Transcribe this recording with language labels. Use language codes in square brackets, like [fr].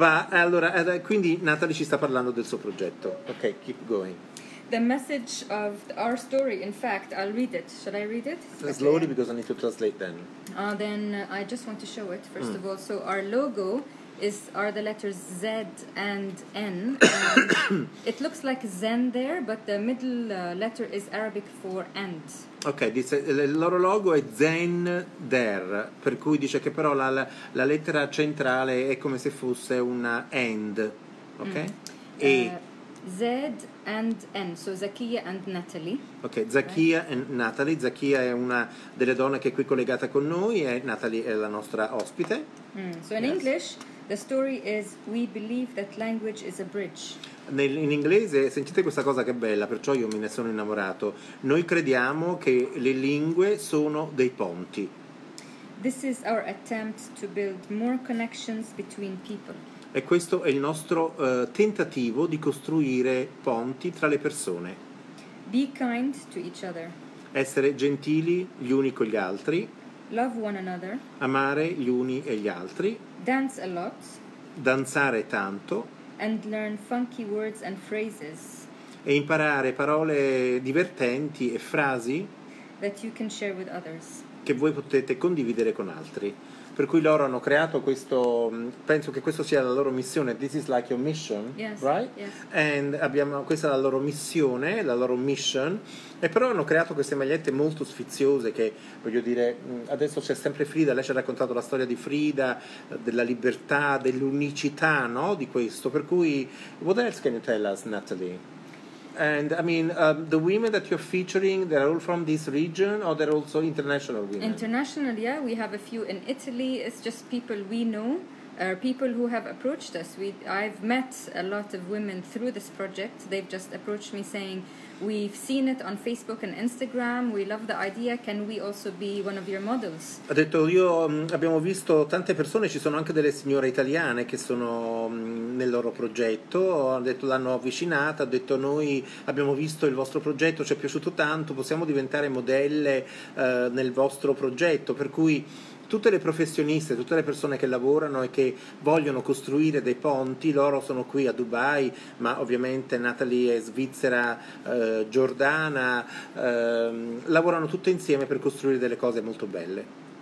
[it] allora, quindi Natalie ci sta parlando del suo progetto. [en] Ok, keep going. The message of our story, in fact, I'll read it. Should I read it? Slowly, because I need to translate then. Then I just want to show it, first of all. So our logo are the letters Z and N. And it looks like Zen there, but the middle letter is Arabic for end. [it] Ok, dice, il loro logo è Zen there, per cui dice che però la lettera centrale è come se fosse una end, ok? [en] Mm. Z and N, so Zakia and Natalie. Ok, Zakia and Natalie. [it] Zakia è una delle donne che è qui collegata con noi e Natalie è la nostra ospite. Mm. [en] So in English, the story is we believe that language is a bridge. [it] In inglese, sentite questa cosa che è bella, perciò io me ne sono innamorato. Noi crediamo che le lingue sono dei ponti. [en] This is our attempt to build more connections between people. [it] E questo è il nostro tentativo di costruire ponti tra le persone. [en] Be kind to each other. [it] Essere gentili gli uni con gli altri. [en] Love one another. [it] Amare gli uni e gli altri. [en] Dance a lot. [it] Danzare tanto. [en] And learn funky words and phrases. [it] E imparare parole divertenti e frasi [en] that you can share with others. [it] Che voi potete condividere con altri. Per cui loro hanno creato questo, penso che questo sia la loro missione. [en] This is like your mission, yes, right? Yes. [it] And abbiamo, questa è la loro missione, la loro mission. E però hanno creato queste magliette molto sfiziose che, voglio dire, adesso c'è sempre Frida, lei ci ha raccontato la storia di Frida, della libertà, dell'unicità, no? Di questo. Per cui, [en] what else can you tell us, Natalie? And I mean, the women that you're featuring, they're all from this region or they're also international women? International, yeah. We have a few in Italy. It's just people we know, people who have approached us. I've met a lot of women through this project. They've just approached me saying, we've seen it on Facebook and Instagram. We love the idea. Can we also be one of your models? [it] Ha detto, io abbiamo visto tante persone. Ci sono anche delle signore italiane che sono nel loro progetto. Ha detto, l'hanno avvicinata. Ha detto, noi abbiamo visto il vostro progetto. Ci è piaciuto tanto. Possiamo diventare modelle nel vostro progetto. Per cui tutte le professioniste, tutte le persone che lavorano e che vogliono costruire dei ponti, loro sono qui a Dubai, ma ovviamente Natalie è svizzera, giordana, lavorano tutte insieme per costruire delle cose molto belle.